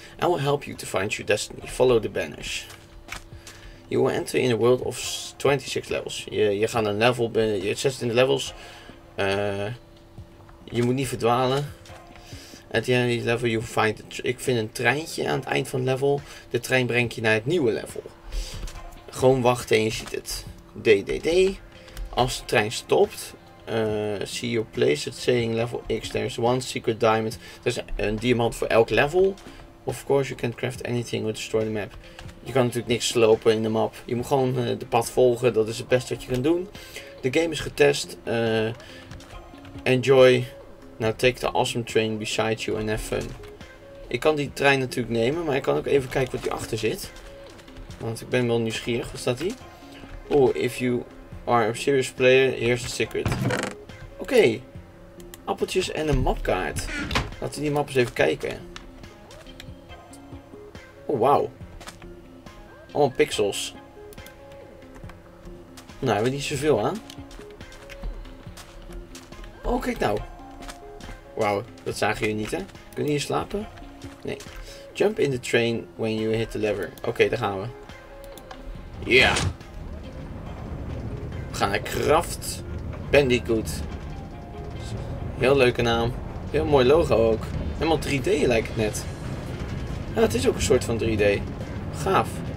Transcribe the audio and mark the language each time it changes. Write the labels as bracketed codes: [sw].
[en] I will help you to find your destiny. Follow the banners. You will enter in a world of 26 levels. [nl] Je gaat een level binnen. Je zet in de levels. Je moet niet verdwalen. [en] At the end of the level you find... [nl] Ik vind een treintje aan het eind van het level. De trein brengt je naar het nieuwe level. Gewoon wachten en je ziet het. DDD. Als de trein stopt... [en] see your place at saying level X. There's one secret diamond. [nl] Er is een diamant voor elk level. [en] Of course you can't craft anything or destroy the map. [nl] Je kan natuurlijk niks slopen in de map. Je moet gewoon de pad volgen. Dat is het beste wat je kan doen. De game is getest. [en] Enjoy. Now take the awesome train beside you and have fun. [nl] Ik kan die trein natuurlijk nemen. Maar ik kan ook even kijken wat hier achter zit. Want ik ben wel nieuwsgierig. Wat staat hier? Oh, [en] if you... are a serious player, here's the secret. [nl] Oké. Okay. Appeltjes en een mapkaart. Laten we die map eens even kijken. Oh, wauw. Allemaal pixels. Nou, hebben we niet zoveel aan. Oh, kijk nou. Wauw, dat zagen jullie niet, hè? Kunnen jullie slapen? Nee. [en] Jump in the train when you hit the lever. [nl] Oké, daar gaan we. Yeah. We gaan naar Craft Bandicoot. Heel leuke naam. Heel mooi logo ook. Helemaal 3D lijkt het net. Ja, het is ook een soort van 3D. Gaaf.